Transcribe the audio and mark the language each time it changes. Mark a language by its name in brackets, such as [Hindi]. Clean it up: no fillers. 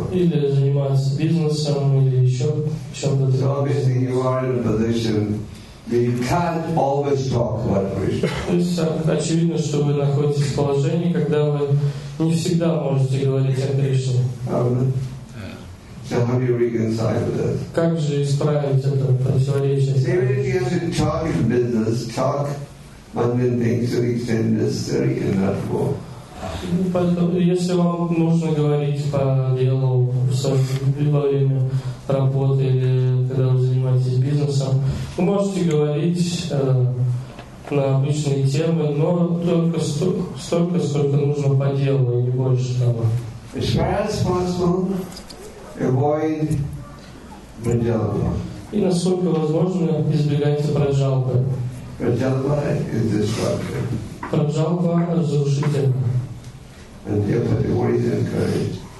[Russian] Или занимаются бизнесом, или еще чем-то. [English] So obviously you are in a position that you can't always talk about Krishna. [Russian] То есть очевидно, что вы находитесь в положении, когда вы не всегда можете говорить о Кришне. [English] So how do you reconcile this? [Russian] Как же исправить это противоречие? [English] Same if you have to talk in business, talk mundane things to the extent necessary and not more. [Russian] Если вам нужно говорить по делу во время работы или когда вы занимаетесь бизнесом, вы можете говорить на обычные темы, но только столько, сколько нужно по делу, и не больше того. [English] As far as possible, avoid prajalpa. [Russian] И насколько возможно, избегайте праджалпы. [English] Праджалпа is destructive. [Russian] Праджалпа разрушительна. [English] And therefore, the devotee is encouraged